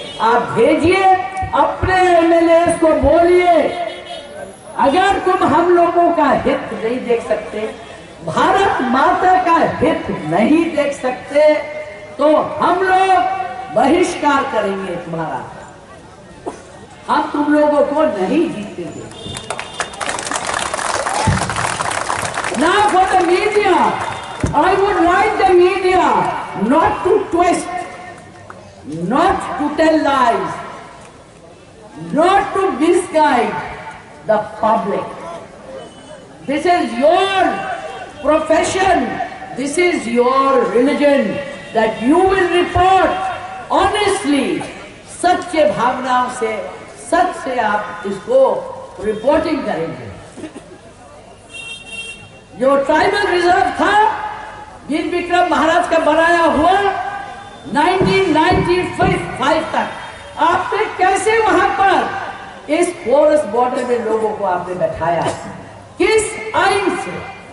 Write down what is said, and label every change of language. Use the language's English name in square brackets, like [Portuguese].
[Hindi] आप भेजिए अपने MLA को, बोलिए अगर तुम हम लोगों का हित नहीं देख सकते, भारत माता का हित नहीं देख सकते, तो हम लोग बहिष्कार करेंगे तुम्हारा, हम तुम लोगों को नहीं जीतेंगे। [English] Now for the media, I would like the media not to twist, not to tell lies, not to misguide the public. This is your profession, this is your religion, that you will report honestly, [Hindi] सच्चे भावनाओं से, सच से आप इसको reporting करेंगे। जो tribal reserve था वीर विक्रम महाराज का बनाया हुआ 1995 तक, आपने कैसे वहां पर इस फोरेस बॉर्डर में लोगों को आपने बैठाया, किस आइन से?